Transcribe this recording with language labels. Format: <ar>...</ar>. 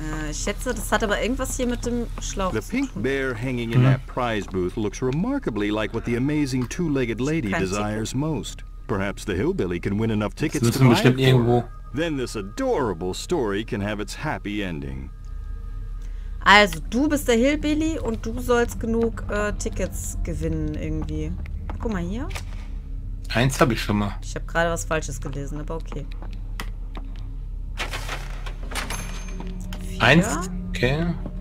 <de>Ich schätze, das hat aber irgendwas hier mit dem Schlauch</de> <en>The</en> <de>zu</de> <en>pink</en> <de>tun.</de> <en>Bear hanging in that prize booth looks remarkably like what the amazing two-legged lady desires most. Perhaps the hillbilly can win enough tickets to buy it. Then this adorable story can have its happy ending.</en> <de>Also, du bist der Hillbilly und du sollst genug Tickets gewinnen irgendwie. Guck mal hier. Eins habe ich schon mal. Ich habe gerade was Falsches gelesen, aber okay. Ja. Eins, okay.</de>